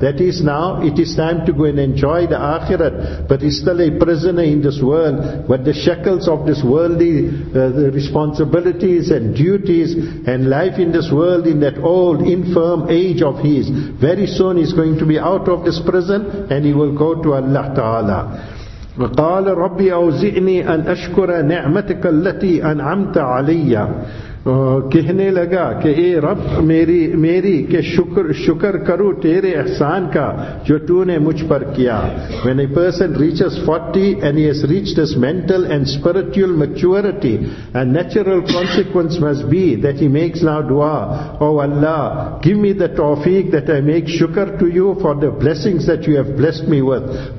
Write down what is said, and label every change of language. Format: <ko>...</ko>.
<en>That is, now it is time to go and enjoy the akhirat, but he's still a prisoner in this world. But the shackles of this worldly the responsibilities and duties and life in this world, in that old, infirm age of his, very soon he's going to be out of this prison and he will go to Allah Ta'ala.</en> <ar>قال ربي أوزعني أن أشكر نعمتك التي أنعمت علي.</ar> <ur>کہنے لگا کہ اے رب میری کہ شکر کرو تیرے احسان کا جو تو نے مجھ پر کیا.</ur> <en>When a person reaches 40 and he has reached his mental and spiritual maturity, a natural consequence must be that he makes now dua, oh Allah, give me the tawfiq that I make shukr to you for the blessings that you have blessed me with.</en>